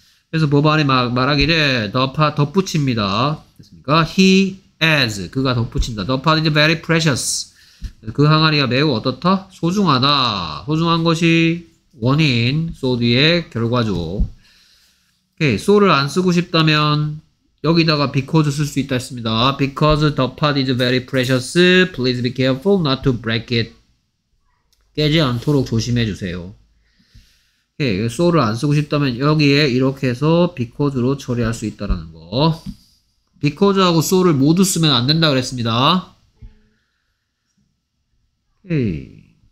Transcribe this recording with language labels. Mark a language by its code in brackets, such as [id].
[ko] 그래서 법안이 말하기를 덧붙입니다. 됐습니까? [en] He has, [ko] 그가 덧붙인다. [en] The pot is very precious. [ko] 그 항아리가 매우 어떻다? 소중하다. 소중한 것이 원인, so 뒤에 결과죠. Okay, so를 안 쓰고 싶다면 여기다가 because 쓸 수 있다 했습니다. [en] Because the pot is very precious, please be careful not to break it. [ko] 깨지 않도록 조심해 주세요. 오케이. 소를 안 쓰고 싶다면 여기에 이렇게 해서 because로 처리할 수 있다라는 거. because하고 소를 모두 쓰면 안 된다 그랬습니다. 오케이.